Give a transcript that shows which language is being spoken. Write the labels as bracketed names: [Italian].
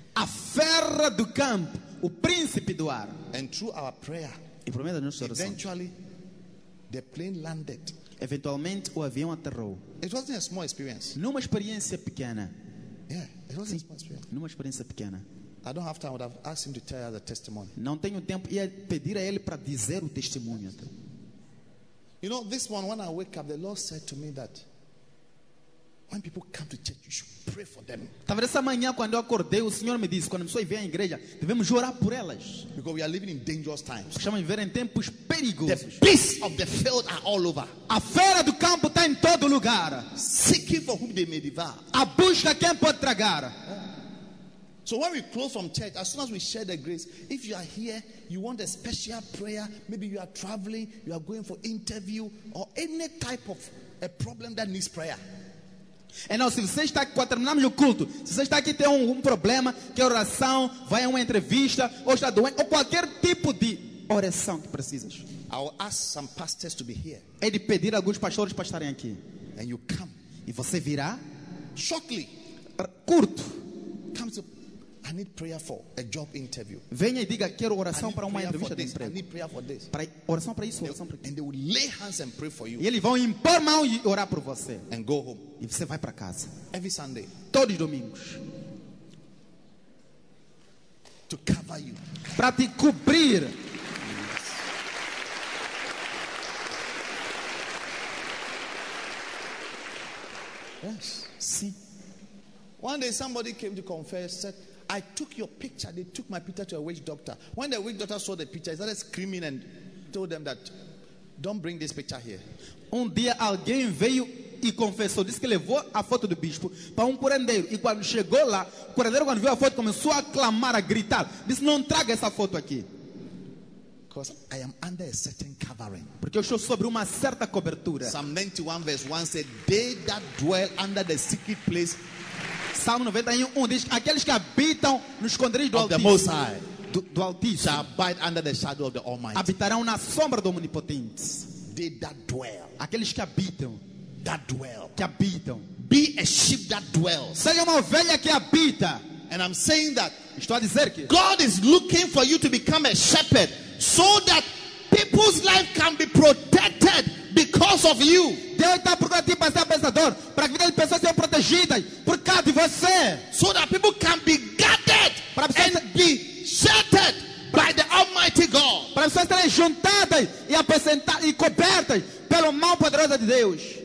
[Portuguese] A fera do campo, o príncipe do ar. [English] And through our prayer, [Portuguese] e por meio da nossa oração, [English] eventually the plane landed. [Portuguese] Eventualmente o avião aterrou. [English] It wasn't a small experience. [Portuguese] Numa experiência pequena. [English] Yeah, it wasn't a small experience. [Portuguese] Numa experiência pequena. [English] I don't have time. I would have asked him to tell us the testimony. [Portuguese] Não tenho tempo e pedir a ele para dizer o testemunho. [English] You know, this one, when I wake up, the Lord said to me that when people come to church, you should pray for them. [Portuguese] Estava nessa manhã, quando eu acordei, o Senhor me disse, quando a pessoa vem à igreja, devemos orar por elas. [English] Because we are living in dangerous times. [Portuguese] Estamos vivendo em tempos perigosos. [English] The beasts of the field are all over. [Portuguese] A fera do campo está em todo lugar. [English] Seeking for whom they may devour. [Portuguese] A busca quem pode tragar. [English] So when we close from church, as soon as we share the grace, if you are here, you want a special prayer, maybe you are traveling, you are going for interview, or any type of a problem that needs prayer. [Portuguese] Então, se você está aqui, quando terminamos o culto, se você está aqui e tem um problema, que é oração, vai a uma entrevista, ou está doente, ou qualquer tipo de oração que precisas. [English] I will ask some pastors to be here. [Portuguese] É de pedir a alguns pastores para estarem aqui. [English] And you come. [Portuguese] E você virá. [English] Shortly. [Portuguese] Curto. [English] Come to I need prayer for a job interview. [Portuguese] Venha e diga, quero oração para uma entrevista de emprego. [English] I need prayer for this. [Portuguese] Para oração para isso, oração para isso. [English] And they will lay hands and pray for you. [Portuguese] E eles vão impor mão e orar por você. [English] And go home. [Portuguese] E você vai para casa. [English] Every Sunday. [Portuguese] Todos os domingos. [English] To cover you. [Portuguese] Para te cobrir. [English] Yes. [Portuguese] Sim. [English] One day somebody came to confess, said, I took your picture. They took my picture to a witch doctor. When the witch doctor saw the picture, he started screaming and told them that, don't bring this picture here. [Portuguese] Um dia alguém veio e confessou. Disse que levou a foto do bispo para um curandeiro. E quando chegou lá, o curandeiro, quando viu a foto, começou a clamar, a gritar. Disse, não traga essa foto aqui. [English] Because I am under a certain covering. [Portuguese] Porque eu estou sobre uma certa cobertura. [English] Psalm 91 verse 1 said, they that dwell under the secret place. [Portuguese] Salmo 91 diz: aqueles que habitam no esconderijo do Altíssimo, [English] the Most High, [Portuguese] do Altíssimo, [English] shall abide under the shadow of the Almighty. [Portuguese] Habitarão na sombra do Onipotente. [English] They that dwell, [Portuguese] aqueles que habitam, [English] that dwell, [Portuguese] que habitam, [English] be a sheep that dwells. [Portuguese] Seja uma ovelha que habita. [English] And I'm saying that, [Portuguese] estou a dizer que [English] God is looking for you to become a shepherd, so that people's life can be protected because of you. [Portuguese] Deus está procurando para ser abençoador, para que a vida de pessoas sejam protegidas por causa de você. [English] So that people can be guarded and be sheltered by the Almighty God. [Portuguese] Para pessoas serem juntadas e apresentadas e cobertas pela mão poderosa de Deus.